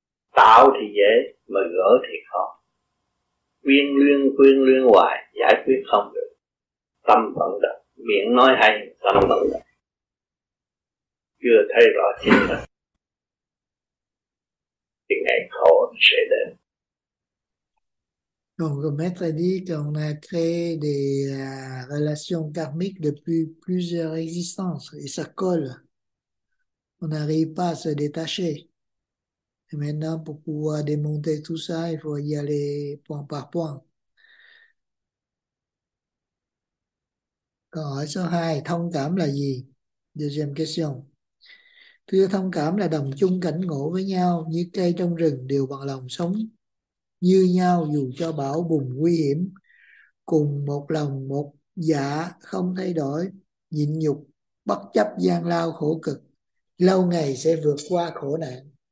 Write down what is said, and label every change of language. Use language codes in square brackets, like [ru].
[vi] tạo thì dễ mà gỡ thì khó, quyên luyên hoài giải quyết không được, tâm vận động miệng nói hay tâm vận động chưa thấy rõ chính mình thì ngày khổ sẽ đến. [fr] Donc, le maître a dit qu'on a créé des relations karmiques depuis plusieurs existences et ça colle. On n'arrive pas à se détacher. Et maintenant, pour pouvoir démonter tout ça, il faut y aller point par point. [vi] Câu hỏi số 2, thông cảm là gì? [fr] Deuxième question. [vi] Thưa, thông cảm là đồng chung cảnh ngộ với nhau, như cây trong rừng đều bằng lòng sống như nhau dù cho bão bùng nguy hiểm, cùng một lòng một dạ không thay đổi, nhịn nhục bất chấp gian lao khổ cực, lâu ngày sẽ vượt qua khổ nạn.